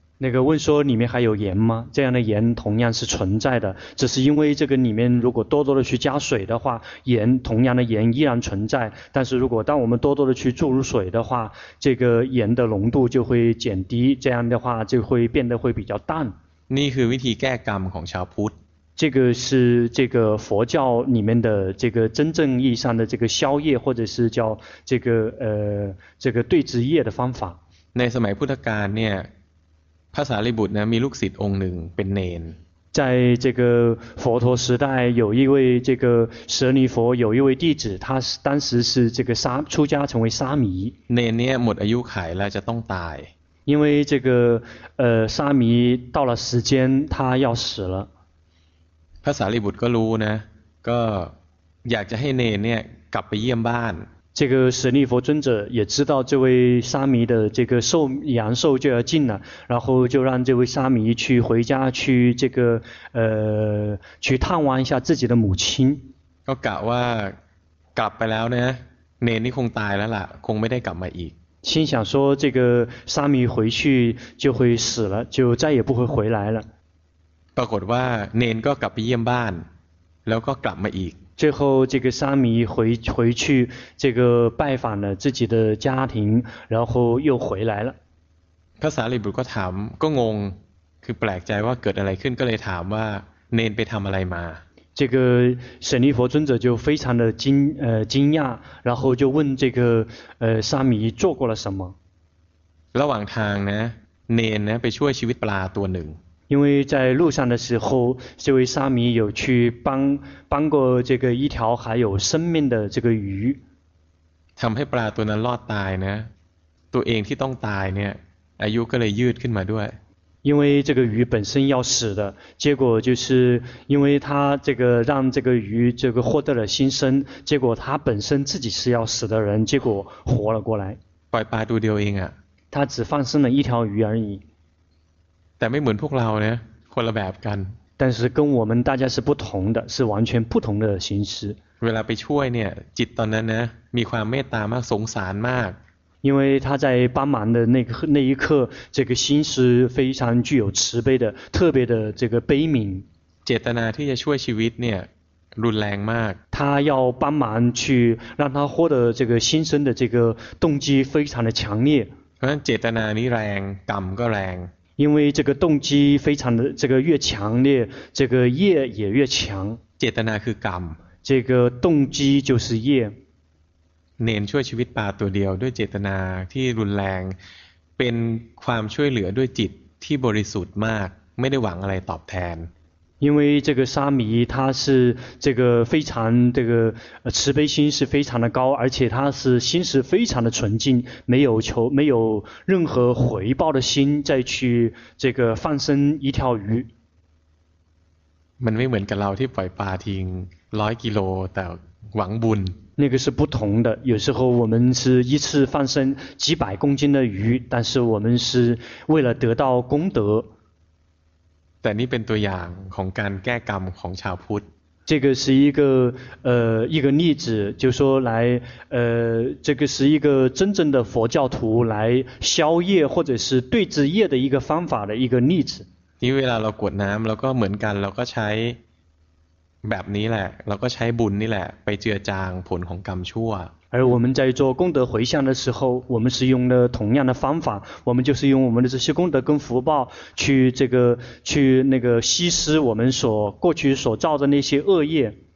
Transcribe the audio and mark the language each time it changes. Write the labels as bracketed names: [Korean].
[Chinese] 那个问说里面还有盐吗这样的盐同样是存在的只是因为这个里面如果多多的去加水的话盐同样的盐依然存在但是如果当我们多多的去注入水的话这个盐的浓度就会减低这样的话就会变得会比较淡 [Thai] นี่คือวิธีแก้กรรมของชาวพุทธ [Chinese] 这个是这个佛教里面的这个真正意义上的这个消业或者是叫这个这个对治业的方法 [Thai] ในสมัยพุทธกาลเนี่ยพระสารีบุตรนะมีลูกศิษย์องค์หนึ่งเป็นเนน [Chinese] 在这个佛陀时代有一位这个舍利佛有一位弟子他当时是这个沙出家成为沙弥 [Thai] เนนเนี่ยหมดอายุขัยแล้วจะต้องตาย [Chinese] 因为这个沙弥到了时间他要死了 [Thai] พระสารีบุตรก็รู้นะก็อยากจะให้เนนเนี่ยกลับไปเยี่ยมบ้าน [Chinese] 这个舍利弗尊者也知道这位沙弥的这个寿阳寿就要尽了，然后就让这位沙弥去回家去这个去探望一下自己的母亲。 [Thai] ก็กะว่ากลับไปแล้วนะเนนนี่คงตายแล้วล่ะคงไม่ได้กลับมาอีก。 [Chinese] 心想说这个沙弥回去就会死了，就再也不会回来了。 [Thai] ปรากฏว่าเนนก็กลับไปเยี่ยมบ้านแล้วก็กลับมาอีก。 [Chinese] 最后这个沙弥回去这个拜访了自己的家庭然后又回来了 [Thai] พระสารีบุตรก็ถามก็งงคือแปลกใจว่าเกิดอะไรขึ้นก็เลยถามว่าเนนไปทำอะไรมา [Chinese] 这个舍利弗尊者就非常的惊讶然后就问这个沙弥做过了什么 [Thai] ระหว่างทางนะเนนนะไปช่วยชีวิตปลาตัวหนึ่ง [Chinese] 因为在路上的时候这位沙弥有去帮过这个一条还有生命的这个鱼 [Thai] ทำให้ปลาตัวนั้นรอดตายนะตัวเองที่ต้องตายเนี่ยอายุก็เลยยืดขึ้นมาด้วย [Chinese] 因为这个鱼本身要死的结果就是因为他这个让这个鱼这个获得了新生结果他本身自己是要死的人结果活了过来 [Thai] ปล่อยปลาตัวเดียวเองอ่ะ [Chinese] 他只放生了一条鱼而已 [Thai] แต่ไม่เหมือนพวกเราเนี่ยคนละแบบกัน [Chinese] 但是跟我们大家是不同的，是完全不同的形式。 [Thai] เวลาไปช่วยเนี่ยจิตตอนนั้นนะมีความเมตตามากสงสารมาก [Chinese] 因为他在帮忙的那一刻这个心是非常具有慈悲的特别的这个悲悯 [Thai] เจตนาที่จะช่วยชีวิตเนี่ยรุนแรงมาก [Chinese] 他要帮忙去让他获得这个新生的这个动机非常的强烈 [Thai] เพราะฉะนั้นเจตนานี้แรงกรรมก็แรง [Chinese] 因为这个动机非常的这个越强烈这个业也越强 [Thai] เจตนาคือกรรม [Chinese] 这个动机就是业 [Thai] เน้นช่วยชีวิตป่าตัวเดียวด้วยเจตนาที่รุนแรงเป็นความช่วยเหลือด้วยจิตที่บริสุทธิ์มากไม่ได้หวังอะไรตอบแทน [Chinese] 因为这个沙弥他是这个非常这个慈悲心是非常的高而且他是心是非常的纯净没有求没有任何回报的心再去这个放生一条鱼 [Thai] มันไม่เหมือนกับเราที่ปล่อยปลาทิ้ง100กิโลแต่หวังบุญ [Chinese] 那个是不同的有时候我们是一次放生几百公斤的鱼但是我们是为了得到功德 [Thai] แต่นี่เป็นตัวอย่างของการแก้กรรมของชาวพุทธ [Chinese] 这个是一个一个例子就说来这个是一个真正的佛教徒来消业或者是对治业的一个方法的一个例子 [Thai] นี่เวลาเรากวดน้ำเราก็เหมือนกันเราก็ใช้แบบนี้แหละเราก็ใช้บุญนี่แหละไปเจือจางผลของกรรมชั่ว [Chinese] 而我们在做功德回向的时候我们是用了同样的方法我们就是用我们的这些功德跟福报去这个去那个稀释我们所过去所造的那些恶业